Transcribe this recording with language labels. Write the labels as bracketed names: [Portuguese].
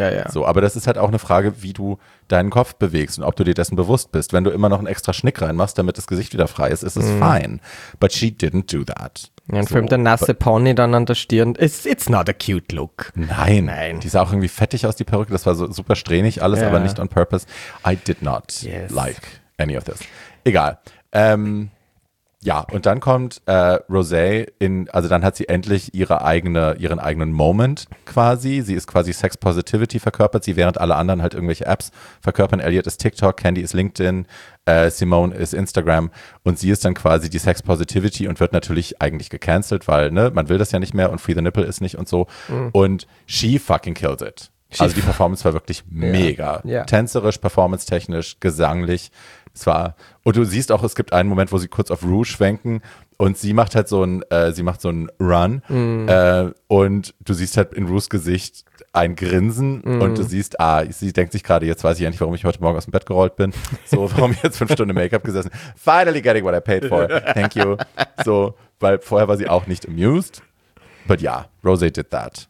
[German] So, aber das ist halt auch eine Frage, wie du deinen Kopf bewegst und ob du dir dessen bewusst bist. Wenn du immer noch einen extra Schnick reinmachst, damit das Gesicht wieder frei ist, ist es fine. [English] But she didn't do that. [German] Ja, und filmt der nasse Pony dann an der Stirn. [English] It's not a cute look. [German] Nein. Die sah auch irgendwie fettig aus, die Perücke. Das war so super strähnig alles, aber nicht [English] on purpose. I did not like any of this. [German] Egal. Ja, und dann kommt Rosé in, also dann hat sie endlich ihren eigenen Moment quasi. Sie ist quasi Sex Positivity verkörpert, sie während alle anderen halt irgendwelche Apps verkörpern. Elliot ist TikTok, Candy ist LinkedIn, Simone ist Instagram und sie ist dann quasi die Sex Positivity und wird natürlich eigentlich gecancelt, weil ne, man will das ja nicht mehr und Free the Nipple ist nicht und so. Und [English] she fucking killed it. [German] Also die Performance war wirklich mega. Tänzerisch, performance-technisch, gesanglich. Es war, und du siehst auch, es gibt einen Moment, wo sie kurz auf Rue schwenken und sie macht halt so ein, sie macht so einen Run und du siehst halt in Rues Gesicht ein Grinsen und du siehst, sie denkt sich gerade, jetzt weiß ich endlich, warum ich heute Morgen aus dem Bett gerollt bin, so, warum ich jetzt 5 Stunden Make-up gesessen, [English] finally getting what I paid for, thank you, [German] so, weil vorher war sie auch nicht amused, [English] but yeah, Rosé did that.